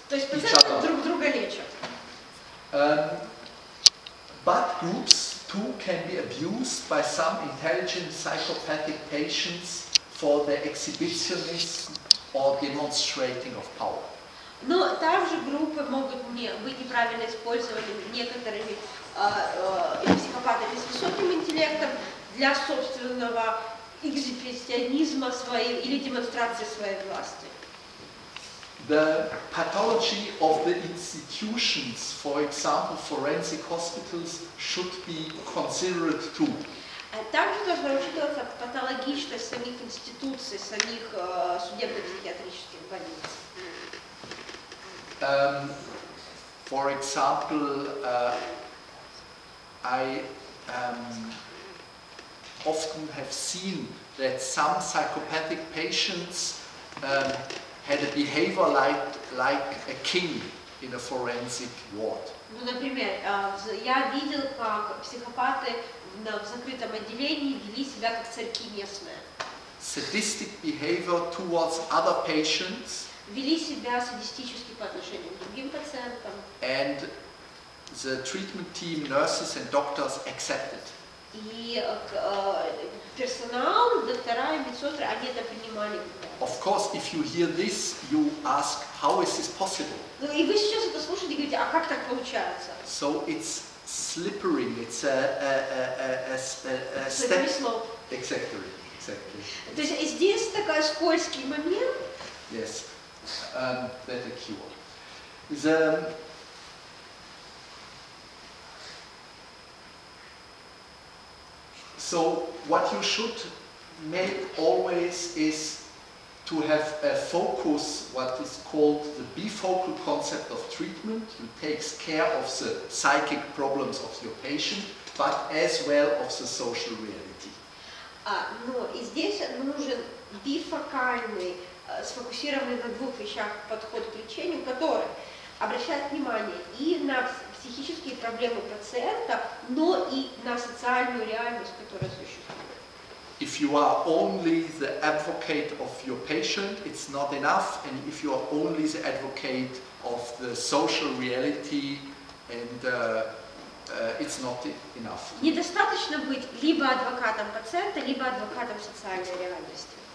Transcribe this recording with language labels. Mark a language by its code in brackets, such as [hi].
[ru] То есть пациенты друг друга лечат. [en] But groups too can be abused by some intelligent psychopathic patients for their exhibitionism or demonstrating of power. [ru] Но также группы могут быть неправильно использованы некоторыми психопатами с высоким интеллектом для собственного экзибиционизма своей или демонстрации своей власти. [en] The pathology of the institutions, for example, forensic hospitals, should be considered too. [ru] Также должна учитываться патологичность самих институций, самих судебно-психиатрических больниц. [en] For example, I often have seen that some psychopathic patients had a behavior like a king in a forensic ward. [ru] Ну, например, я видел, как психопаты в закрытом отделении вели себя как царьки местные. [en] Sadistic behavior towards other patients. [ru] Вели себя садистически по отношению к другим пациентам. [en] And the treatment team, nurses and doctors accepted. [ru] И персонал, доктора и медсестры, они это принимали. [en] Of course, if you hear this, you ask, how is this possible? [ru] Ну и вы сейчас это слушаете и говорите, а как так получается? [en] So it's slippery. It's a step. Exactly. [ru] То есть здесь такой скользкий момент. [en] Yes. Better cure. The so what you should make always is to have a focus, what is called the bifocal concept of treatment. It takes care of the psychic problems of your patient, but as well of the social reality. [ru] Но здесь нужен бифокальный. Сфокусированный на двух вещах подход к лечению, который обращает внимание и на психические проблемы пациента, но и на социальную реальность, которая существует. [en] If you are only the advocate of your patient, it's not enough, and if you are only the advocate of the social reality, and it's not enough. [ru] Недостаточно быть либо адвокатом пациента, либо адвокатом социальной реальности.